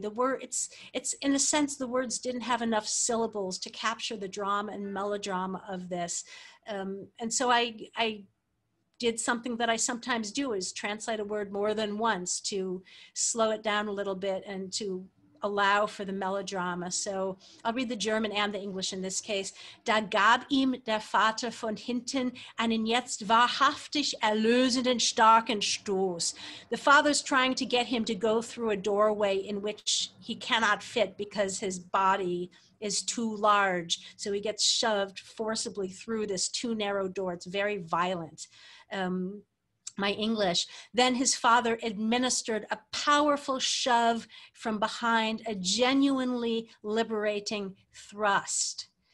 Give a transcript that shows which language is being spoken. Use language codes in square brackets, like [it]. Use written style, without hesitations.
[en] It's in a sense, the words didn't have enough syllables to capture the drama and melodrama of this. And so I did something that I sometimes do, is translate a word more than once to slow it down a little bit and to allow for the melodrama. So I'll read the German and the English in this case. [de] Da gab ihm der Vater von hinten einen jetzt wahrhaftig erlösenden starken Stoß. [en] The father's trying to get him to go through a doorway in which he cannot fit because his body is too large. So he gets shoved forcibly through this too narrow door. It's very violent. My English. Then his father administered a powerful shove from behind, a genuinely liberating thrust.